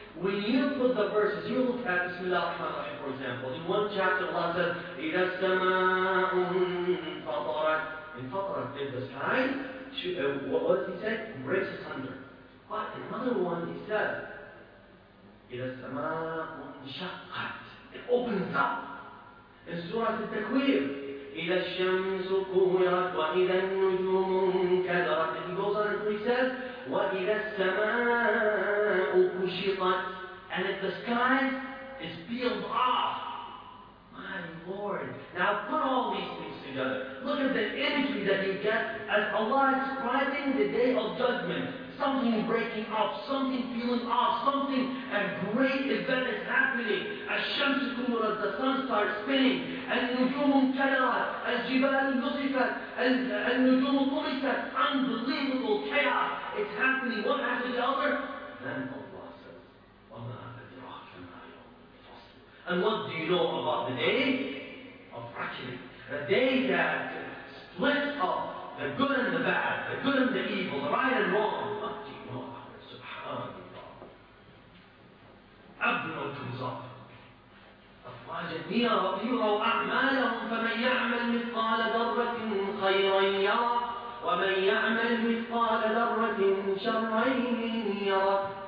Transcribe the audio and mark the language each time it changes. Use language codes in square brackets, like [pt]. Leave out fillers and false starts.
[en] When you put the verses, you look at Bismillah ar-Rahman ar-Rahim, for example, in one chapter Allah says, [ar] إِذَا السَّمَاءُ فَطَرَتْ. [en] In Fatara, in the sky, what does he say? Breaks asunder. But in another one, he says, [ar] إِذَا السَّمَاءُ انشَقَّتْ. [en] It opens up. In Surah Al-Takwir, [ar] إِذَا الشَّمْسُ كُوِّرَتْ وَإِذَا النُّجُومُ انكَدَرَتْ. [en] And he goes on and he says, [ar] وَإِذَا السَّمَاءُ كُشِطَتْ. [en] And if the sky is peeled off, my Lord. Now put all these things together. Look at the imagery that you get as Allah is describing the Day of Judgment. Something breaking off, something peeling off, something, a great event is happening. [ar] الشَّمْسُ كُوِّرَتْ, [en] the sun starts spinning. [ar] النُّجُومُ انكَدَرَتْ, الْجِبَالُ نُصِفَتْ, النُّجُومُ طُمِسَتْ. [en] Unbelievable chaos. It's happening one after the other. Then Allah says, [ar] وَمَا أَدْرَاكَ مَا يَوْمُ الْفَصْلِ. [en] And what do you know about the day of reckoning? The day that splits up the good and the bad, the good and the evil, the right and wrong. What do you know about it? SubhanAllah. Abdul comes up. [ar] أَفْرَاجَ يُرَوْا أَعْمَالَهُمْ فَمَنْ يَعْمَلْ مِثْقَالَ ذَرَّةٍ خَيْرًا يَرَهُ وَمَنْ يَعْمَلْ مِثْقَالَ ذَرَّةٍ شَرًّا يَرَهُ.